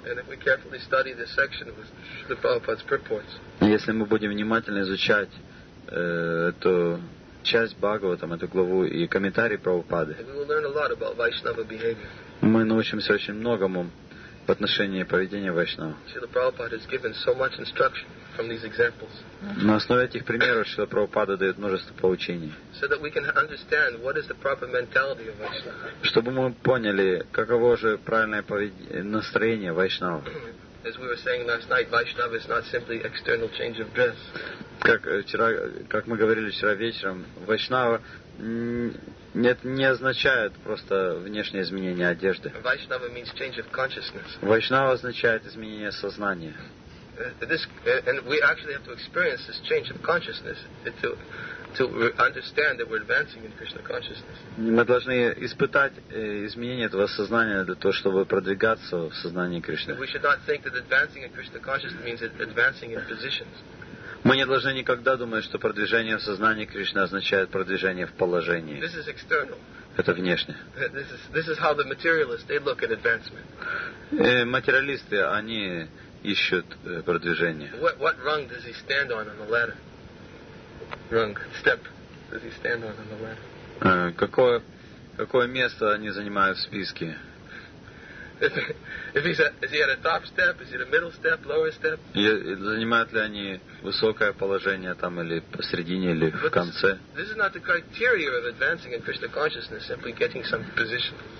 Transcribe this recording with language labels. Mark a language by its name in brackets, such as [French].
[English] And if we carefully study this section with Srila Prabhupada's purports. [Russian] Если мы будем внимательно изучать эту часть Бхагаватам, эту главу и комментарии Прабхупады, [English] we will learn a lot about Vaishnava behavior. [Russian] Мы научимся очень многому в отношении поведения Вайшнава. [English] Srila Prabhupada has given so much instruction from these examples. [Russian] На основе этих примеров Srila Prabhupada дает множество поучений. [English] So that we can understand what is the proper mentality of Vaishnava. [Russian] Чтобы мы поняли, каково же правильное настроение Вайшнава. [English] As we were saying last night, Vaishnava is not simply external change of dress. [Russian] Как мы говорили вчера вечером, Вайшнава не означает просто внешнее изменение одежды. [English] Vaishnava means change of consciousness. [Russian] Вайшнава означает изменение сознания. [English] And we actually have to experience this change of consciousness to understand that we're advancing in Krishna consciousness. [Russian] Мы должны испытать изменение этого сознания для того, чтобы продвигаться в сознании Кришны. [English] We should not think that advancing in Krishna consciousness means advancing in positions. [Russian] Мы не должны никогда думать, что продвижение в сознании Кришны означает продвижение в положении. [English] This is external. [Russian] Это внешне. [English] This is how the materialists, they look at advancement. [Russian] Материалисты, они ищут продвижение. [English] What rung does he stand on the ladder? Rung, step does he stand on the ladder? [Russian] Какое место они занимают в списке? [English] Is he at a top step? Is he at a middle step? Lower step? [Russian] Занимают ли они высокое положение там или посередине или в конце? [English] This is not the criteria of advancing in Krishna consciousness, simply getting some position.